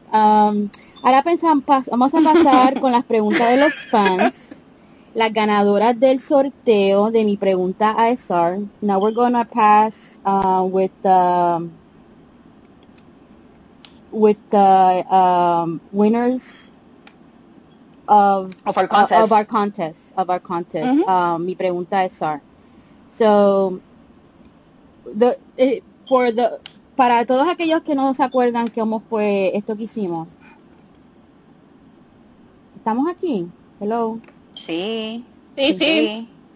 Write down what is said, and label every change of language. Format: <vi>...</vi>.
<es>Ahora vamos a pasar con las preguntas de los fans. Las ganadoras del sorteo de mi pregunta a SR.</es> <en>Now we're gonna pass with the winners of our contest.</en> <es>Mm-hmm. Mi pregunta a SR.</es> <en>So</en> <es>para todos aquellos que no se acuerdan cómo fue esto que hicimos. Estamos aquí.</es> <en>Hello.</en> <es>Sí, es que</es>